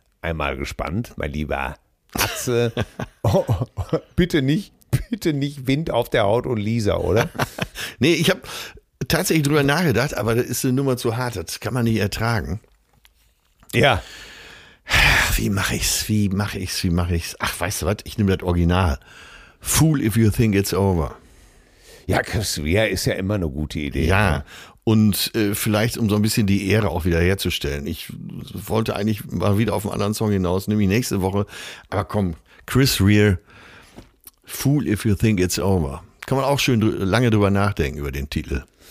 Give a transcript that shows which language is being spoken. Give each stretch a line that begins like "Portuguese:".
German: einmal gespannt, mein lieber Atze. bitte nicht Wind auf der Haut und Lisa, oder? Nee, ich habe tatsächlich drüber nachgedacht, aber das ist eine Nummer zu hart, das kann man nicht ertragen. Ja. Wie mache ich's? Ach, weißt du was, ich nehme das Original.
English: Fool if you think it's over.
German: Ja, Chris, ist ja immer eine gute Idee. Ja. Und vielleicht, um so ein bisschen die Ehre auch wieder herzustellen. Ich wollte eigentlich mal wieder auf einen anderen Song hinaus, nämlich nächste Woche. Aber komm, Chris Rear, Fool If You Think It's Over. Kann man auch schön lange drüber nachdenken, über den Titel.